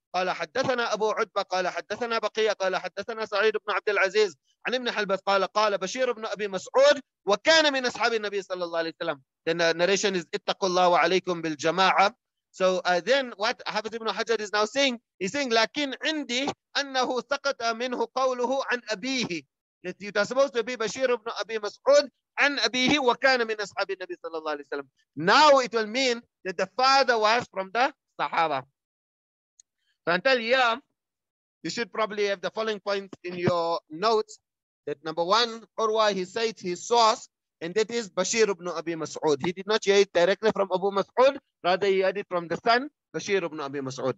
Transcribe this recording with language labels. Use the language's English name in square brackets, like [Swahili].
[Arabic] قال حدثنا أبو عتبة قال حدثنا بقية قال حدثنا سعيد بن عبد العزيز عن ابن حلبس قال قال بشير بن أبي مسعود وكان من أصحاب النبي صلى الله عليه وسلم. [English] Then the narration is [Arabic] اتقوا الله وعليكم بالجماعة. [English] So then what Hafiz ibn Hajar is now saying, he's saying [Arabic] لكن عندي أنه سقط منه قوله عن أبيه. [English] That you are supposed to be [Arabic] بشير بن أبي مسعود عن أبيه وكان من أصحاب النبي صلى الله عليه وسلم. [English] Now it will mean that the father was from the Sahaba. So until here, you should probably have the following points in your notes. That number one, Urwah, he cites his source, and that is Bashir ibn Abi Mas'ud. He did not hear it directly from Abu Mas'ud, rather he heard it from the son, Bashir ibn Abi Mas'ud.